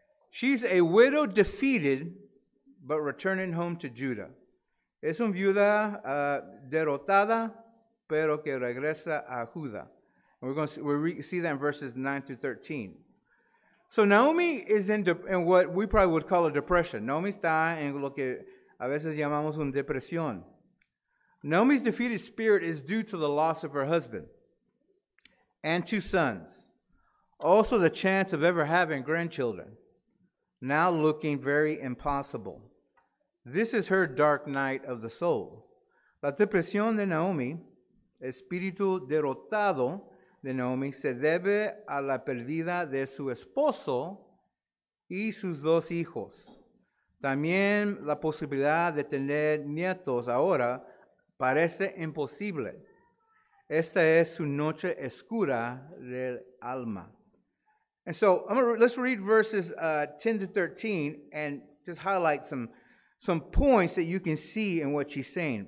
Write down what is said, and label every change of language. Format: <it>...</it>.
<en>She's a widow defeated, but returning home to Judah.</en> <es>Es una viuda derrotada, pero que regresa a Judá.</es> <en>And we're going to see that in verses 9 through 13. So Naomi is in what we probably would call a depression.</en> <es>Naomi está en lo que a veces llamamos una depresión.</es> <en>Naomi's defeated spirit is due to the loss of her husband and two sons, also the chance of ever having grandchildren, now looking very impossible. This is her dark night of the soul.</en> <es>La depresión de Naomi, espíritu derrotado de Naomi, se debe a la pérdida de su esposo y sus dos hijos. También la posibilidad de tener nietos ahora parece imposible. Esta es su noche oscura del alma.</es> <en>And so, let's read verses 10 to 13 and just highlight some points that you can see in what she's saying.</en>